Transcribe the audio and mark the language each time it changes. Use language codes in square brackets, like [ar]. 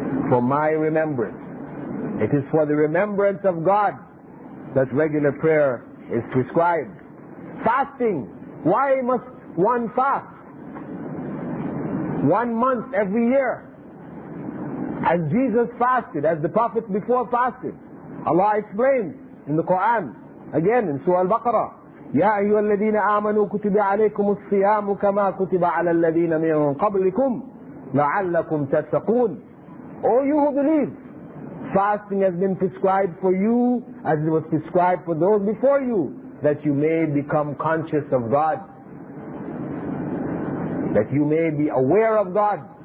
[en] For my remembrance. It is for the remembrance of God that regular prayer is prescribed. Fasting. Why must one fast 1 month every year? As Jesus fasted, as the prophets before fasted. Allah explains in the Quran, again in Surah Al-Baqarah, [ar] يَا أَيُّهَا الَّذِينَ آمَنُوا كُتِبَ عَلَيْكُمُ الصِّيَامُ كَمَا كُتِبَ عَلَى الَّذِينَ مِنْ قَبْلِكُمْ لَعَلَّكُمْ تَتَّقُونَ. [en] O you who believe, fasting has been prescribed for you as it was prescribed for those before you, that you may become conscious of God, that you may be aware of God.